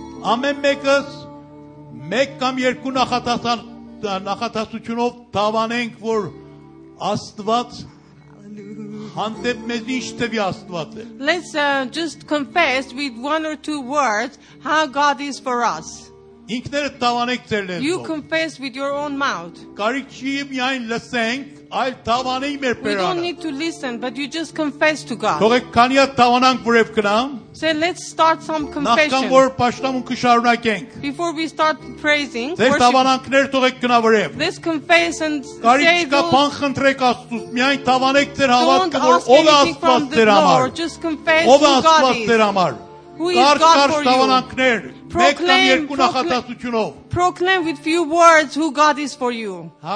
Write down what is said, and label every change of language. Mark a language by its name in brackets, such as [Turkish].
[Armenian] Ամեն մեկս մեկ կամ երկու նախատասությունով դավանենք, որ Աստված հանդեպ մեզ ինչ տվի Աստված է։ [English] Let's just confess with one or two words how God is for us. [Armenian] Ինքներդ դավանեք ձեր լեզուով. [English] You confess with your own mouth. [Armenian] Կարիք չի միայն լսենք, այլ դավանեք մեր Տերը. [English] We don't need to listen, but you just confess to God. [Armenian] Թողեք քանի հատ դավանանք որև գնամ. [English] So let's start some confession. [Armenian] Նախքան որ պաշտամունքը շարունակենք. [English] Before we start praising, [Armenian] ձեր դավանանքներ թողեք գնա որև. [English] Let's confess and say those. [Armenian] Կարիք չկա բան խնդրեք Աստծուց, միայն դավանեք ձեր հավատքը որ ով է Աստված ձեր համար. Ով է Աստված ձեր համար. [English] Proclaim with few words who God is for you.